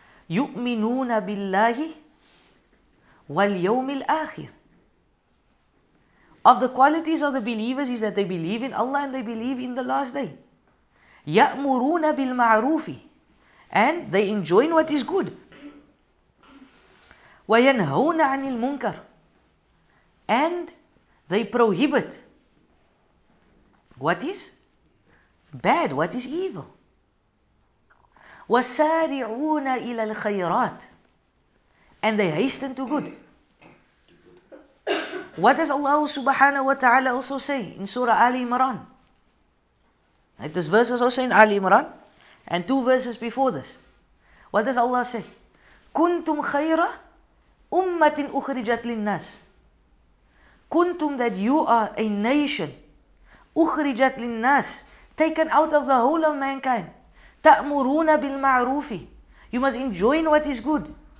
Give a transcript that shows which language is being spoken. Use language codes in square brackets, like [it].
[ar] يؤمنون بالله واليوم الآخر. [en] Of the qualities of the believers is that they believe in Allah and they believe in the last day. [ar] يأمرون بالمعروف, [en] and they enjoin what is good. [ar] وينهون عن المنكر, [en] and they prohibit what is bad, what is evil. [ar] وسارعون إلى الخيرات, [en] and they hasten to good. What does Allah subhanahu wa ta'ala also say in Surah Ali Imran? This verse was also in Ali Imran and two verses before this. What does Allah say? [ar] كنتم خيرة أمة أخرجت للناس. [en] كنتم, that you are a nation, [ar] أخرجت للناس, [en] taken out of the whole of mankind. [ar] تأمرون بالمعروف, [en] you must enjoin what is good.